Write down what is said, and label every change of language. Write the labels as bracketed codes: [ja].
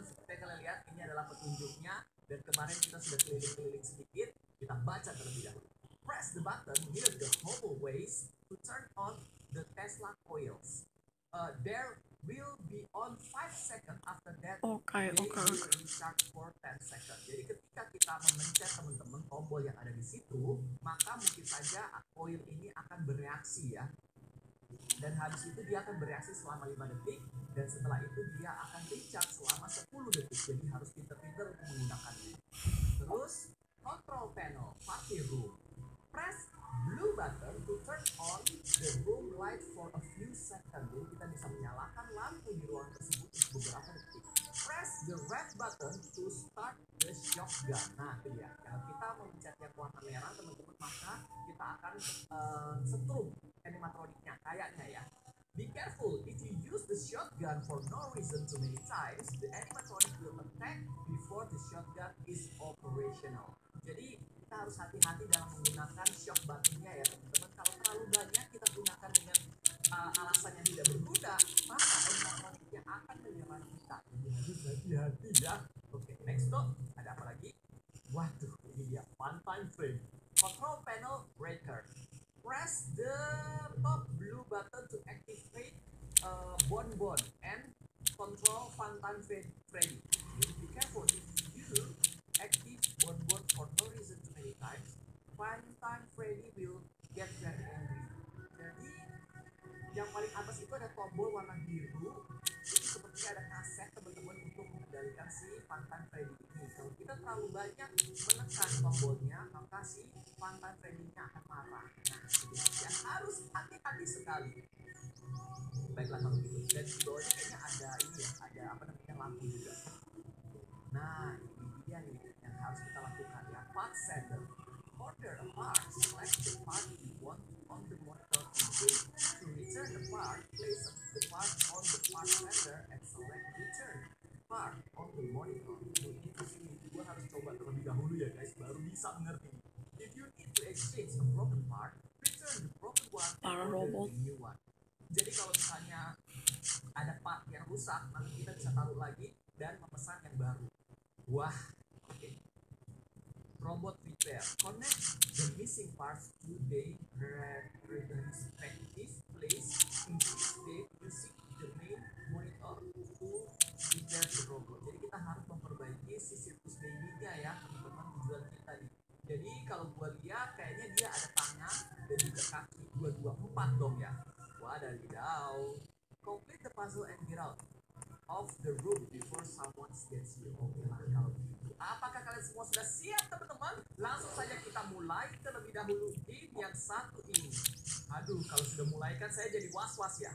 [id] Seperti yang kalian lihat, ini adalah petunjuknya. Dan kemarin kita sudah keliling-keliling sedikit. Kita baca terlebih dahulu. [en] Press the button near the hallways to turn on the Tesla coils. There will be on 5 seconds after that. Okay. Restart for 10 seconds. [id] Jadi ketika kita memencet teman-teman tombol yang ada di situ, maka mungkin saja coil ini akan bereaksi ya. Dan habis itu dia akan bereaksi selama 5 detik, dan setelah itu dia akan recharge selama 10 detik. Jadi harus pinter-pinter menggunakannya. Terus [en] control panel party room. Press blue button to turn on the room light for a few seconds. [id] Jadi kita bisa menyalakan lampu di ruang tersebut untuk beberapa detik. [en] Press the red button to start the shotgun. [id] Nah, itu ya. Kalau kita memencet yang warna merah, teman-teman, maka kita akan setrum animatroniknya, kayaknya ya. [en] Be careful, if you use the shotgun for no reason too many times, the animatronic will attack before the shotgun is operational. [id] Jadi, kita harus hati-hati dalam menggunakan shock button-nya ya, teman-teman. Kalau terlalu banyak kita gunakan dengan alasan yang tidak berguna, maka animatroniknya akan menyerang kita. Jadi, harus hati-hati ya. Oke, next stop, ada apa lagi? Waduh, ini dia, Funtime Freddy. [en] Control panel breaker. Press the top blue button to activate Bonbon and control Funtime Freddy. Be careful if you active Bonbon for no reason too many times, Funtime Freddy will get very angry. [id] Jadi yang paling atas itu ada tombol warna biru. Jadi seperti ada kaset teman-teman untuk mengendalikan si Funtime Freddy ini. Kalau kita terlalu banyak menekan tombolnya, maka si Funtime Freddy-nya akan marah. Dan harus hati-hati sekali. Baiklah kalau gitu. Dan di bawahnya kayaknya ada ini ya, ada apa namanya, lampu juga. Nah, ini dia nih yang harus kita lakukan ya. [en] Part center. Order a part. Select the part you want on the monitor. To return the part, place the part on the part center and select return part on the monitor. [id] Jadi di sini gue harus coba terlebih dahulu ya guys, baru bisa ngerti. [en] If you need to exchange a broken part, [id] para robot. Jadi kalau misalnya ada part yang rusak, maka kita bisa taruh lagi dan memesan yang baru. [en] Wah, oke. Okay. Robot repair. Connect the missing parts to their respective place in which they using the main monitor to repair the robot. [id] Jadi kita harus memperbaiki si sirkus baby-nya ya, teman-teman, tujuan kita nih. Jadi kalau gua lihat kayaknya dia ada tangan dan juga kaki. 2, 2, 4 dong ya. Wadadidaw. [en] Complete the puzzle and get out of the room before someone gets you. [id] Oke lah kalau begitu. Apakah kalian semua sudah siap teman-teman? Langsung saja kita mulai terlebih dahulu game yang satu ini. Aduh, kalau sudah mulai kan saya jadi was-was ya.